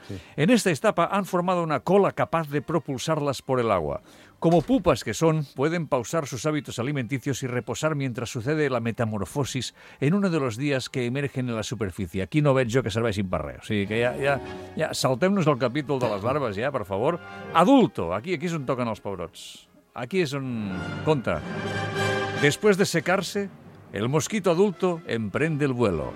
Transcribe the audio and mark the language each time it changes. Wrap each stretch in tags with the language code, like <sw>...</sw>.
<es>Sí. En esta etapa han formado una cola capaz de propulsarlas por el agua. Como pupas que son, pueden pausar sus hábitos alimenticios y reposar mientras sucede la metamorfosis en uno de los días que emergen en la superficie.</es> <ca>Aquí no veig jo que serveixin per res. O sigui que ja saltem-nos el capítol de les larves, ja, per favor. Adulto, aquí és on toquen els pebrots. Aquí és on... Conta.</ca> <es>Después de secarse, el mosquito adulto emprende el vuelo.</es>